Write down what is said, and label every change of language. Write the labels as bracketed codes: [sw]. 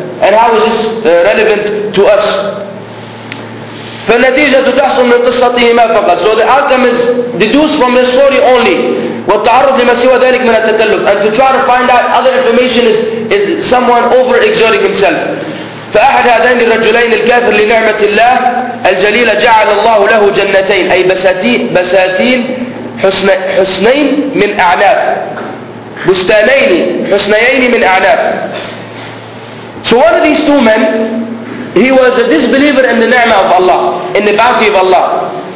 [en] And how is this relevant to us? [ar] فَالنَّتِيجَةُ تَحْصُلُ مِنْ قِصَّتِهِمَا فَقَدْ. [en] So the outcome is deduced from the story only. [ar] وَالتَّعَرُّضْ لِمَا سِوَى ذَلِكْ مِنَ التَّتَلُّقْ. [en] And to try to find out other information is someone over-exerting himself. [ar] فأحد هذين الرجلين الكافر لنعمة الله الجليلة جعل الله له جنتين, أي بساتين حسنين من أعناب, بستانين حسنيين من أعناب. [en] So one of these two men, he was a disbeliever in the ni'mah of Allah, in the bounty of Allah.